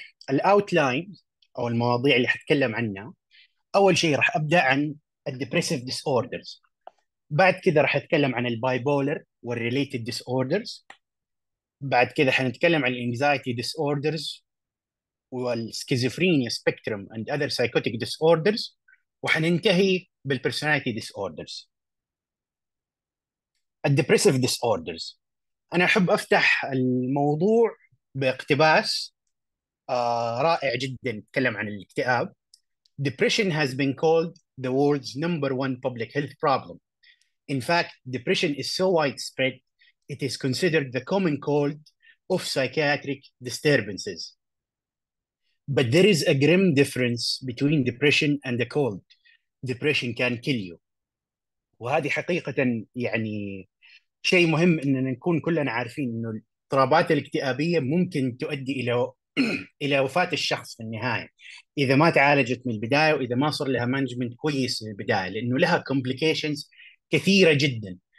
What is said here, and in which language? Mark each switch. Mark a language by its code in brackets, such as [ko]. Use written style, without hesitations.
[ar] الأوتلاين أو المواضيع اللي حتكلم عنها، أول شيء راح أبدأ عن الديبريسيف ديس أوردرز، بعد كذا راح أتكلم عن الباي بولر والريليتد ديس أوردرز، بعد كذا حنتكلم عن الانكزايتي ديس أوردرز والسكيزوفرينيا سبيكترم أند أذر سايكوتيك ديس أوردرز، وحننتهي بالبرسوناليتي ديس أوردرز. الديبريسيف ديس أوردرز، أنا أحب أفتح الموضوع باقتباس رائع جدا أتكلم عن الاكتئاب. [en] Depression has been called the world's number one public health problem. In fact, depression is so widespread, it is considered the common cause of psychiatric disturbances. But there is a grim difference between depression and a cold. Depression can kill you. [ar] وهذه حقيقة يعني شيء مهم إننا نكون كلنا عارفين إنه الاضطرابات الاكتئابية ممكن تؤدي إلى وفاة الشخص في النهاية إذا ما تعالجت من البداية، وإذا ما صار لها مانجمنت كويس من البداية، لأنه لها كومبليكيشنز كثيرة جدا.